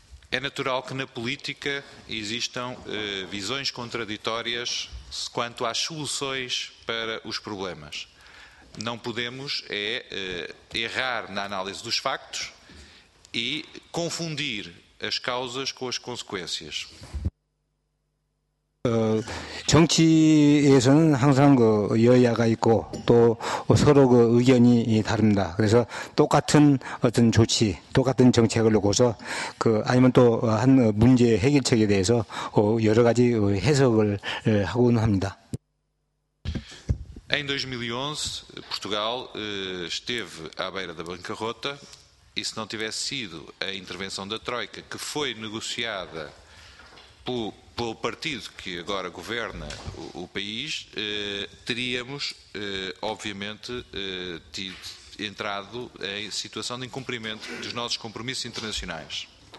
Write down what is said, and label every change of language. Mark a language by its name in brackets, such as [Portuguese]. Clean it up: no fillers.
[Portuguese] É natural que na política existam visões contraditórias quanto às soluções para os problemas. Não podemos errar na análise dos factos e confundir as causas com as consequências. [Korean] 정치에서는 항상 그 여야가 있고 또 서로 그 의견이 다릅니다. 그래서 똑같은 어떤 조치, 똑같은 정책을 놓고서 아니면 또 한 문제 해결책에 대해서 여러 가지 해석을 하고는 합니다. [Portuguese] Em 2011, Portugal esteve à beira da bancarrota e se não tivesse sido a intervenção da Troika que foi negociada pelo partido que agora governa o país, teríamos, obviamente, entrado em situação de incumprimento dos nossos compromissos internacionais.